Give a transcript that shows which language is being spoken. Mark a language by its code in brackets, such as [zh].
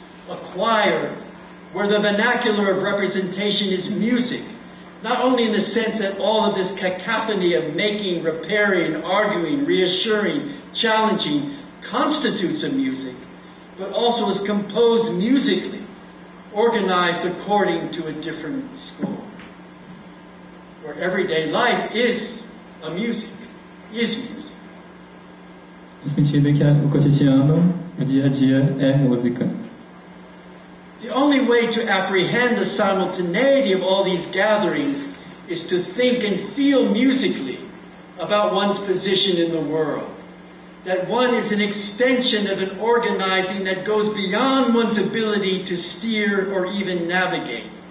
[en] A choir, where the vernacular of representation is music, not only in the sense that all of this cacophony of making, repairing, arguing, reassuring, challenging constitutes a music, but also is composed musically, organized according to a different score. Where everyday life is a music. [pt] No sentido que o cotidiano, o dia a dia, é música. [en] The only way to apprehend the simultaneity of all these gatherings is to think and feel musically about one's position in the world. That one is an extension of an organizing that goes beyond one's ability to steer or even navigate.